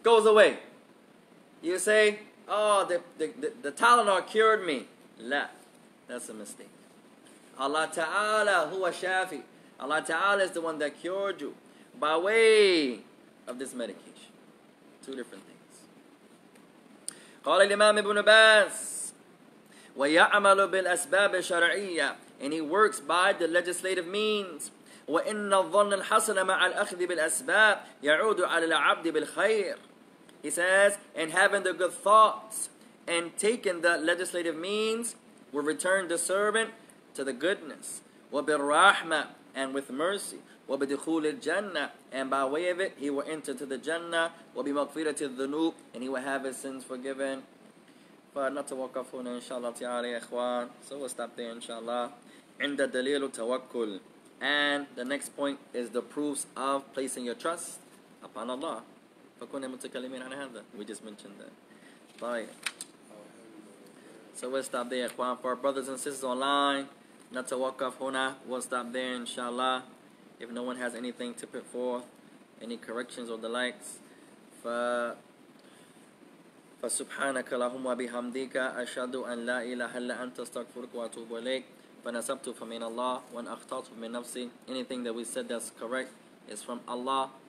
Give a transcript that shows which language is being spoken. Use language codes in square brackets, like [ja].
[en] Goes away. You say, oh, the Tylenol cured me. La. That's a mistake. [ar] Allah Ta'ala, huwa shafi. [en] Allah Ta'ala is the one that cured you by way of this medication. Two different things. [ar] قال الإمام ابن باز ويعمل بالأسباب الشرعية [en] and he works by the legislative means [ar] وإن الظن الحسن مع الأخذ بالأسباب يعود على العبد بالخير. [en] He says, and having the good thoughts and taking the legislative means will return the servant to the goodness [ar] وبالرحمة [en] and with mercy [ar] وبدخول الجنة [en] and by way of it he will enter to the Jannah [ar] وبمغفرة الذنوب [en] and he will have his sins forgiven. [ar] فنتوقفون إن شاء الله تعالى يا إخوان. [en] So we'll stop there [ar] إن شاء الله. عند دليل التوكل. [en] And the next point is the proofs of placing your trust upon Allah. [ar] فكون متكلمين عن هذا. [en] We just mentioned that. [ar] طيب. [en] So we'll stop there [ar] يا إخوان. [en] For our brothers and sisters online, [ar] نتوقف هنا. [en] We'll stop there [ar] إن شاء الله. [en] If no one has anything to put forth, any corrections or the likes, [ar] فسبحانك اللهم وبحمدك أشهد أن لا إله إلا أنت أستغفرك وأتوب إليك فنسبت فمن الله وإن أخطأت فمن نفسي. [en] Anything that we said that's correct is from Allah.